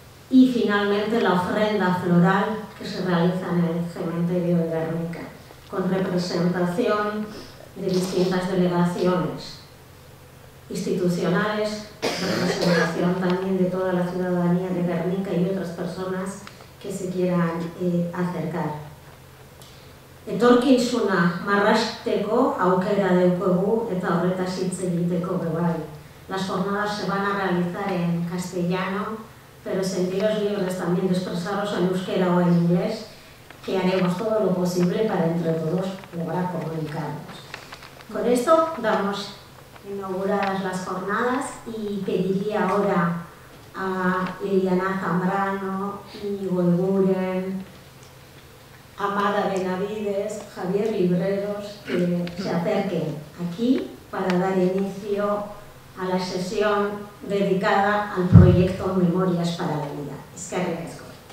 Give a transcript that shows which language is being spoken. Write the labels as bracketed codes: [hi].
[es] Y finalmente la ofrenda floral que se realiza en el cementerio de Gernika, con representación de distintas delegaciones institucionales, representación también de toda la ciudadanía de Gernika y otras personas que se quieran acercar. [eu] Etorkizuna marrasteko aukera daukagu eta horretaz hitz egiteko bebai. [es] Las jornadas se van a realizar en castellano, pero sentiros libres también de expresaros en euskera o en inglés, que haremos todo lo posible para entre todos lograr comunicarnos. Con esto damos inauguradas las jornadas y pediría ahora a Liliana Zambrano, Íñigo Eguren, Amada Benavides, Javier Libreros, que se acerquen aquí para dar inicio a la sesión dedicada al proyecto Memorias para la Vida. Es que agradezco.